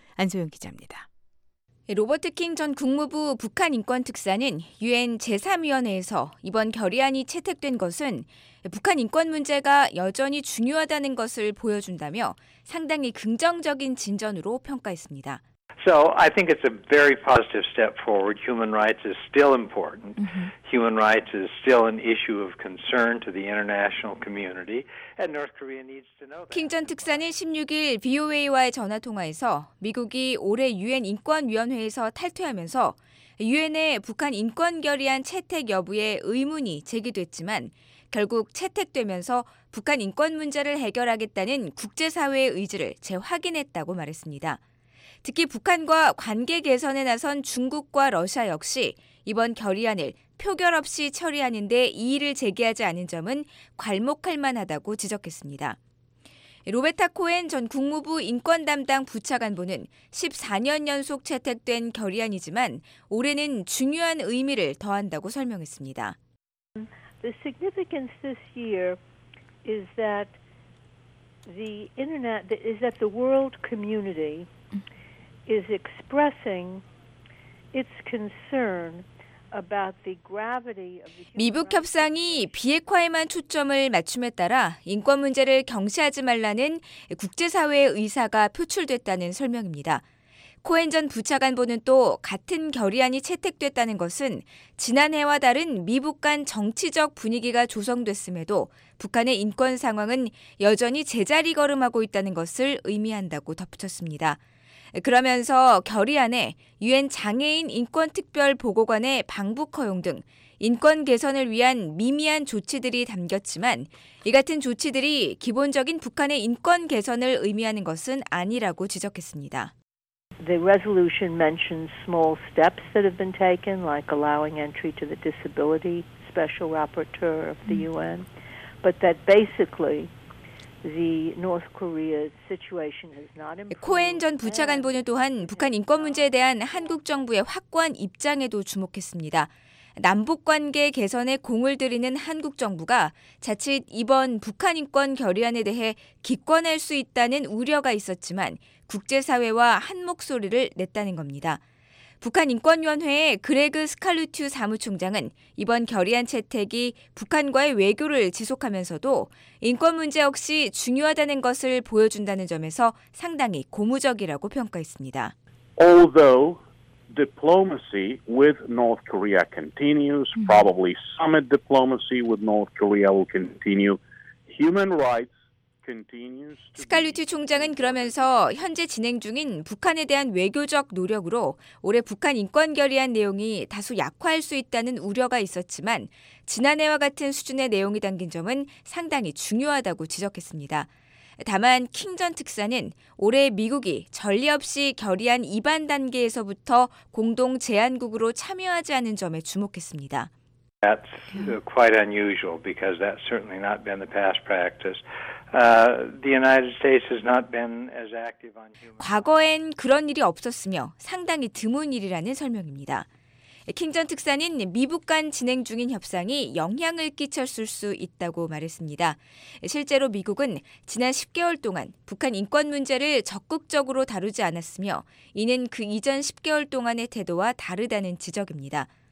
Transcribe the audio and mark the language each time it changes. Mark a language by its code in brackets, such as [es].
[ko] 안소영 기자입니다. 로버트 킹 전 국무부 북한인권특사는 유엔 제3위원회에서 이번 결의안이 채택된 것은 북한 인권 문제가 여전히 중요하다는 것을 보여준다며 상당히 긍정적인 진전으로 평가했습니다. [en] So I think it's a very positive step forward. Human rights is still important. Human rights is still an issue of concern to the international community. And North Korea needs to know that. [ko] 킹 전 특사는 16일 VOA와의 전화 통화에서 미국이 올해 유엔 인권위원회에서 탈퇴하면서 유엔의 북한 인권 결의안 채택 여부에 의문이 제기됐지만 결국 채택되면서 북한 인권 문제를 해결하겠다는 국제사회의 의지를 재확인했다고 말했습니다. 특히 북한과 관계 개선에 나선 중국과 러시아 역시 이번 결의안을 표결 없이 처리하는 데 이의를 제기하지 않은 점은 괄목할 만하다고 지적했습니다. 로베타 코엔 전 국무부 인권 담당 부차관보는 14년 연속 채택된 결의안이지만 올해는 중요한 의미를 더한다고 설명했습니다. [en] The significance this year is that the internet is that the world community is expressing its concern about the gravity of the [ko] 미북 협상이 비핵화에만 초점을 맞춤에 따라 인권 문제를 경시하지 말라는 국제사회의 의사가 표출됐다는 설명입니다. 코엔 전 부차관보는 또 같은 결의안이 채택됐다는 것은 지난해와 다른 미북 간 정치적 분위기가 조성됐음에도 북한의 인권 상황은 여전히 제자리 걸음하고 있다는 것을 의미한다고 덧붙였습니다. 그러면서 결의안에 유엔 장애인 인권특별보고관의 방북 허용 등 인권 개선을 위한 미미한 조치들이 담겼지만 이 같은 조치들이 기본적인 북한의 인권 개선을 의미하는 것은 아니라고 지적했습니다. [en] The resolution mentions small steps that have been taken, like allowing entry to the disability special rapporteur of the UN, but that basically the North Korea's situation has not improved. [ko] 코엔 전 부차관보는 또한 북한 인권 문제에 대한 한국 정부의 확고한 입장에도 주목했습니다. 남북관계 개선에 공을 들이는 한국 정부가 자칫 이번 북한 인권 결의안에 대해 기권할 수 있다는 우려가 있었지만 국제사회와 한 목소리를 냈다는 겁니다. 북한인권위원회의 그레그 스칼루튜 사무총장은 이번 결의안 채택이 북한과의 외교를 지속하면서도 인권 문제 역시 중요하다는 것을 보여준다는 점에서 상당히 고무적이라고 평가했습니다. [en] Although diplomacy with North Korea continues, probably summit diplomacy with North Korea will continue. Human rights [ko] 스칼루티 총장은 그러면서 현재 진행 중인 북한에 대한 외교적 노력으로 올해 북한 인권 결의안 내용이 다소 약화할 수 있다는 우려가 있었지만 지난해와 같은 수준의 내용이 담긴 점은 상당히 중요하다고 지적했습니다. 다만 킹전 특사는 올해 미국이 전례 없이 결의안 이반 단계에서부터 공동 제안국으로 참여하지 않은 점에 주목했습니다. [en] That's quite unusual because that's certainly not been the past practice. The United States has not been as active on human rights. [ko] 과거엔 그런 일이 없었으며 상당히 드문 일이라는 설명입니다. 킹 전 특사는 미북 간 진행 중인 협상이 영향을 끼쳤을 수 있다고 말했습니다. 실제로 미국은 지난 10개월 동안 북한 인권 문제를 적극적으로 다루지 않았으며 이는 그 이전 10개월 동안의 태도와 다르다는 지적입니다.